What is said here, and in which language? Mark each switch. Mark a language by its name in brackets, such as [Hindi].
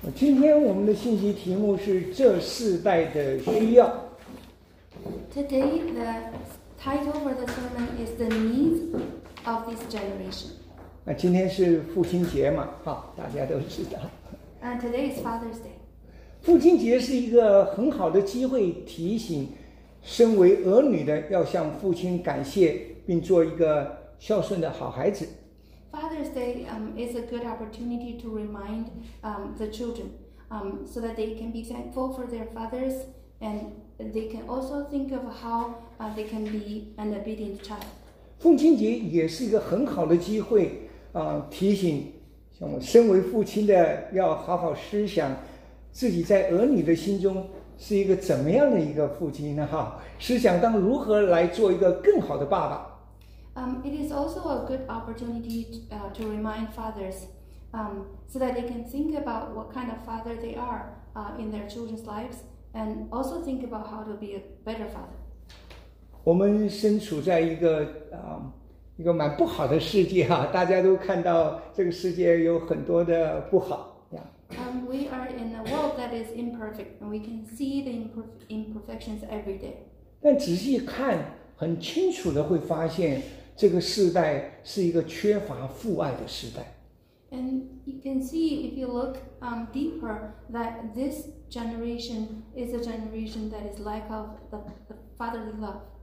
[Chinese] 今天我们的信息题目是这世代的需要。 [English] Today the title for the sermon is the needs of this generation. [Chinese] 那今天是父亲节嘛，大家都知道。 [English] And today is Father's Day. [Chinese] 父亲节是一个很好的机会，提醒身为儿女的要向父亲感谢，并做一个孝顺的好孩子。 [English] Father's Day is a good opportunity to remind the children so that they can be thankful for their fathers and they can also think of how they can be an obedient child. [Chinese] 父亲节也是一个很好的机会提醒像我身为父亲的要好好思想自己在儿女的心中是一个怎么样的一个父亲呢？思想当如何来做一个更好的爸爸。 [English] It is also a good opportunity to remind fathers so that they can think about what kind of father they are in their children's lives and also think about how to be a better father. [Chinese] 我们身处在一个蛮不好的世界，大家都看到这个世界有很多的不好。 [English] Yeah. We are in a world that is imperfect and we can see the imperfections every day. [Chinese] 但仔细看很清楚的会发现这个世代是一个缺乏父爱的时代。 [English] And you can see if you look deeper that this generation is a generation that is lack of the fatherly love.